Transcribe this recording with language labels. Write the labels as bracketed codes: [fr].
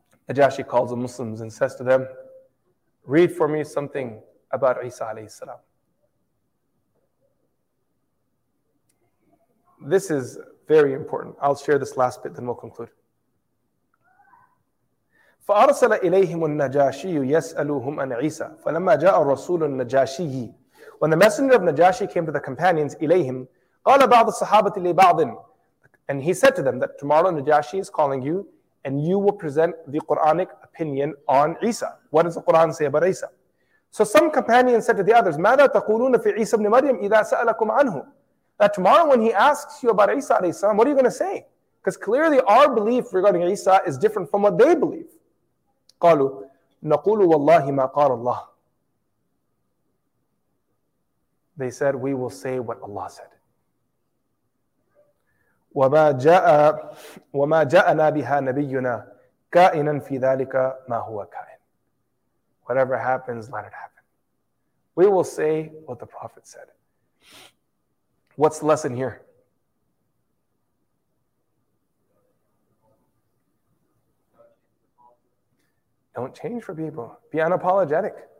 [en] Najashi calls the Muslims and says to them, read for me something about Isa alayhi salam. This is very important. I'll share this last bit, then we'll conclude. [ar] فأرسل إليهم النجاشي يسألهم عن عيسى فلما جاء الرسول النجاشي. [en] When the messenger of Najashi came to the companions, [ar] إليهم قال بعض الصحابة لبعض, [en] and he said to them that tomorrow Najashi is calling you and you will present the Quranic opinion on عيسى. What does the Quran say about عيسى? So some companions said to the others, [ar] ماذا تقولون في عيسى بن مريم إذا سألكم عنه? [en] That tomorrow when he asks you about عيسى عليه السلام, what are you going to say? Because clearly our belief regarding عيسى is different from what they believe. [ar] قالوا نقول والله ما قال الله. [en] They said, we will say what Allah said. [ar] وما جاءنا بها نبينا كائنا في ذلك ما هو كائن. [en] Whatever happens, let it happen. We will say what the Prophet said. What's the lesson here? Don't change for people. Be unapologetic.